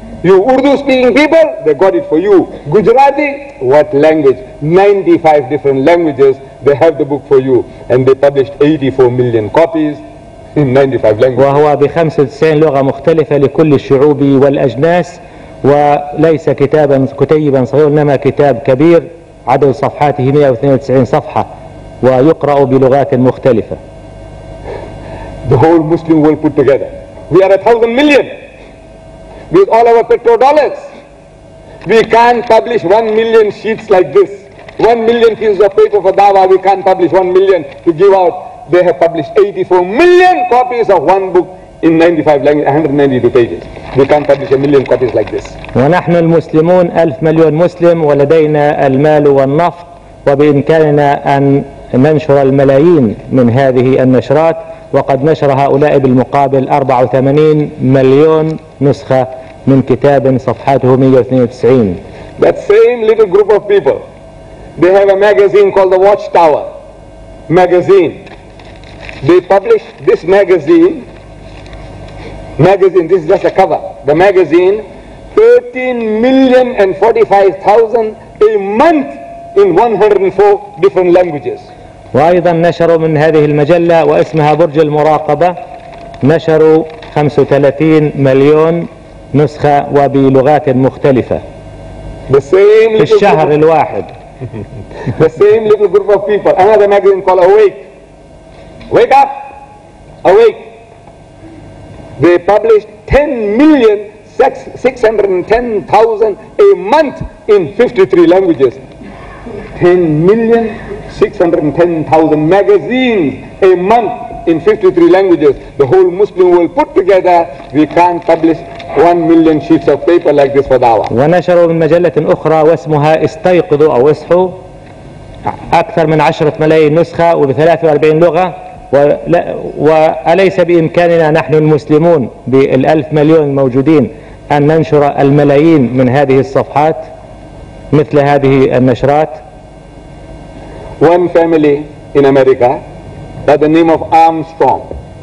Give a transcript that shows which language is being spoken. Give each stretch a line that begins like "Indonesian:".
English: You Urdu speaking people? They got it for you. Gujarati? What language? 95 different languages, they have the book for you. And they published 84 million copies in 95 languages.
Arabic: وهو بخمسة وتسعين لغة مختلفة لكل الشعوب والأجناس، وليس كتابا كتيبا صغيرا، إنما كتاب كبير عدد صفحاته 192 صفحة، ويقرأ بلغات مختلفة.
English: The whole Muslim world put together. We are 1,000 million. With all our petrodollars. We can't publish 1 million sheets like this. 1 million pieces of paper for Dawah, we can't publish 1 million to give out. They have published 84 million copies of one book in 95 languages, 192 pages. We can't publish a million copies like this.
Arabic: ونحن المسلمون 1,000,000,000 مسلم ولدينا المال والنفط، وبإمكاننا أن ننشر الملايين من هذه النشرات، وقد نشر هؤلاء بالمقابل 84 مليون نسخة من كتاب صفحاته 192.
English: That same little group of people, they have a magazine called the Watchtower magazine. They publish this magazine. Magazine, this is just a cover. The magazine, 13,045,000 a month in 104 different languages.
Arabic: وأيضا نشروا من هذه المجلة واسمها برج المراقبة، نشروا 35 مليون نسخة وبلغات مختلفة.
English: The same
Arabic: في الشهر الواحد.
English: The same little group of people. Another magazine called Awake. Wake up! Awake! They published 10,610,000 a month in 53 languages. 10 million 610,000 magazines a month in 53 languages. The whole Muslim world put together, we can't publish 1 million sheets of paper like this for da'wah.
Arabic: ونشروا من مجلة أخرى واسمها استيقظوا أو اصحوا أكثر من 10 ملايين نسخة وب43 لغة. وأليس بإمكاننا نحن المسلمون بال1000 مليون الموجودين أن ننشر الملايين من هذه الصفحات مثل هذه النشرات؟
English: One family in America by the name of Armstrong.